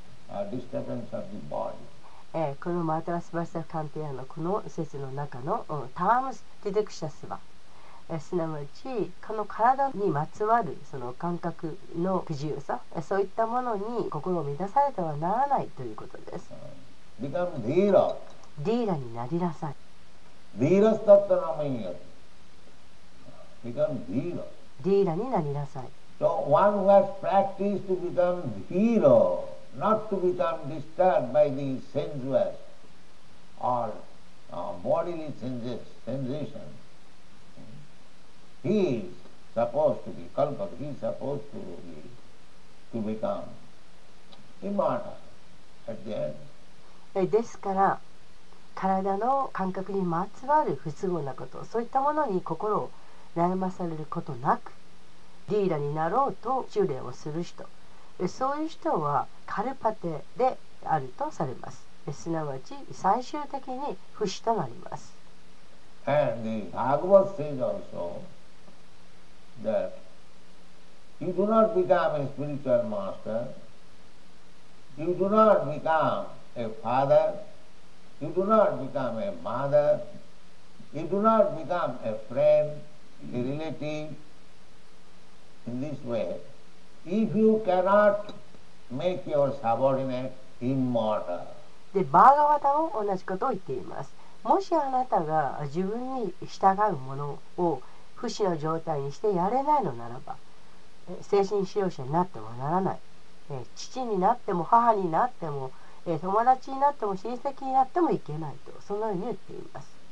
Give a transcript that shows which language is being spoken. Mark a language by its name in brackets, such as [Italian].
[Japanese] このマトラスバシャカンティアのこの説の中のタームスディテクシャスは、すなわちこの体にまつわるその感覚の不自由さ、そういったものに心を乱されてはならないということです。 [English] Become dhira. [Japanese] ディーラになりなさい。 [English] ディーラスタッタナマイヤ Become dhira. [Japanese] ディーラになりなさい。 [English] So one who has practiced to become dhiraNot to become disturbed by the sensuous or bodily sensations. He is supposed to be kalpa. He is supposed to become immortal at the end. [Japanese] ですから、体の感覚にまつわる不都合なこと、そういったものに心を悩まされることなく、ディーラになろうと修練をする人。そういう人はカルパテであるとされます。すなわち最終的に不死となります。 [English] And the Bhagavad says also that you do not become a spiritual master, you do not become a father, you do not become a mother, you do not become a friend, a relative in this wayIf you cannot make your subordinate immortal. [Japanese] で、バーガワタも同じことを言っています。もしあなたが自分に従うものを不死の状態にしてやれないのならば、精神指導者になってもならない。父になっても母になっても、友達になっても親戚になってもいけないと、そのように言っています。